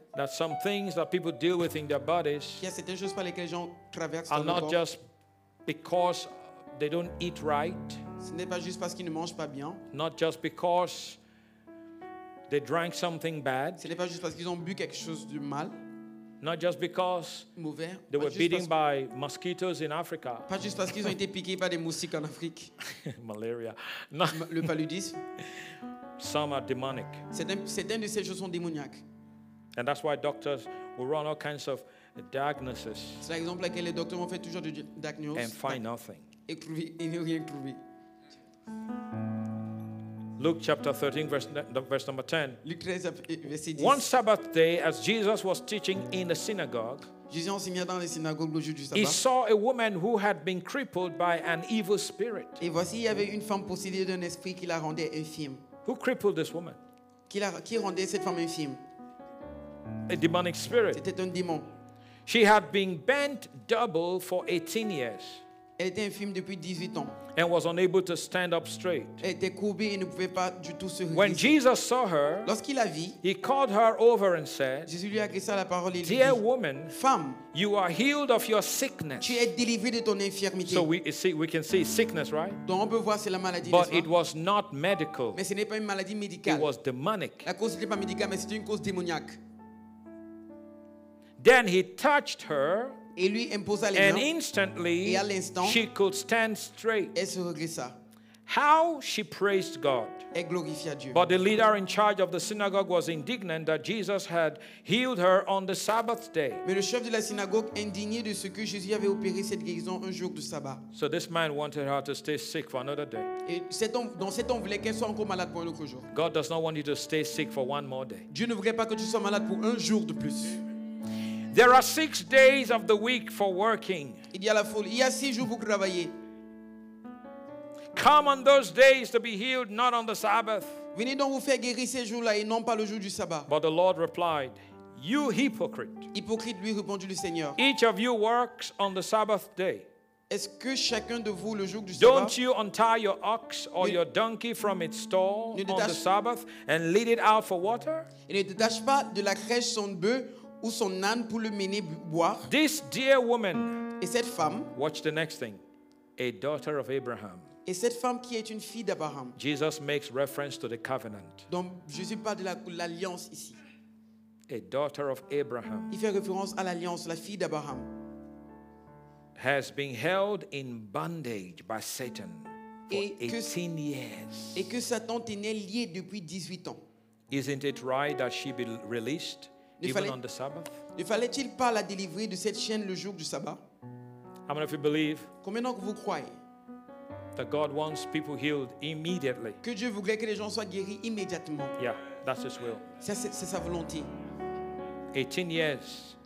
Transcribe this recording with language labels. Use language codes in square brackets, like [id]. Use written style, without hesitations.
[en] that some things that people deal with in their bodies [fr] qu'il y a certaines choses par lesquelles les gens traversent [en] are [fr] dans le [en] not [fr] corps. [en] Just because they don't eat right. [fr] Ce n'est pas juste parce qu'ils ne mangent pas bien. [en] Not just because they drank something bad. [fr] Ce n'est pas juste parce qu'ils ont bu quelque chose de mal. [en] Not just because [fr] mauvais, [en] they were beaten by mosquitoes in Africa. [fr] Pas juste parce qu'ils ont été piqués par des moustiques en Afrique. [en] Malaria. No. [fr] Le paludisme. [en] Some are demonic. [fr] Certains de ces choses sont démoniaques. [en] And that's why doctors will run all kinds of diagnoses. [fr] C'est l'exemple auquel les docteurs ont fait toujours de diagnoses. [en] And find nothing. [fr] Et n'ont rien trouvé. [en] Luke chapter 13, verse number 10. [fr] Luke 13, verset 10. [en] One Sabbath day, as Jesus was teaching in the synagogue, [fr] Jésus enseignait dans les synagogues le jour du sabbat, [en] he saw a woman who had been crippled by an evil spirit. [fr] Et voici, il y avait une femme possédée d'un esprit qui la rendait infirme. [en] Who crippled this woman? [fr] Qui rendait cette femme infirme? [en] A demonic spirit. [fr] C'était un démon. [en] She had been bent double for 18 years. [fr] Elle était infirme depuis 18 ans. [en] And was unable to stand up straight. [fr] Elle était courbée et ne pouvait pas du tout se redresser. [en] When Jesus saw her, [fr] lorsqu'il la vit, [en] he called her over and said, [fr] Jésus lui a adressé la parole et lui [en] dear [fr] dit, [en] woman, [fr] femme, [en] you are healed of your sickness. [fr] Tu es délivrée de ton infirmité. [en] So we can see sickness, right? [fr] Donc on peut voir c'est la maladie. [en] But it was not medical. [fr] Mais ce n'est pas une maladie médicale. [en] It was demonic. [fr] La cause n'était pas médicale, mais c'était une cause démoniaque. [en] Then he touched her. [fr] Et lui imposa les [en] and [fr] mains. [en] Instantly, [fr] et à l'instant, [en] she could stand straight. [fr] Elle se redressa. [en] how she praised God. [fr] Et glorifia Dieu. [en] But the leader in charge of the synagogue was indignant that Jesus had healed her on the Sabbath day. [fr] Mais le chef de la synagogue indigné de ce que Jésus avait opéré cette guérison un jour de sabbat. [en] So this man wanted her to stay sick for another day. [fr] Et cet homme, dans cet homme voulait qu'elle soit encore malade pour un autre jour. [en] God does not want you to stay sick for one more day. [fr] Dieu ne voudrait pas que tu sois malade pour un jour de plus. [en] There are 6 days of the week for working. [fr] Il y a la foule. Il y a 6 jours pour travailler. [en] Come on those days to be healed, not on the Sabbath. [fr] Venez donc vous faire guérir ces jours-là et non pas le jour du sabbat. [en] But the Lord replied, "You hypocrite." [fr] Hypocrite, lui répondit le Seigneur. [en] Each of you works on the Sabbath day. [fr] Est-ce que chacun de vous le jour du sabbat? [en] Don't you untie your ox or your donkey from its stall on the Sabbath and lead it out for water? [fr] Et ne détache pas de la crèche son bœuf ou son âne pour le mener boire. [en] This dear woman. [fr] Et cette femme. [en] Watch the next thing. A daughter of Abraham. [fr] Et cette femme qui est une fille d'Abraham. [en] Jesus makes reference to the covenant. [fr] Donc Jésus parle de l'alliance ici. [en] A daughter of Abraham. [fr] Il fait référence à l'alliance, la fille d'Abraham. [en] Has been held in bondage by Satan for 18 years. [fr] Et que Satan tenait lié depuis 18 ans. [en] Isn't it right that she be released even on the Sabbath? [fr] Ne fallait-il pas la délivrer de cette chaîne le jour du sabbat? [en] How many of you believe? [fr] Combien d'entre vous croyez? [en] That God wants people healed immediately. [fr] Que Dieu voudrait que les gens soient guéris immédiatement. [en] Yeah, that's His will. [fr] C'est sa volonté. [en] 18 years.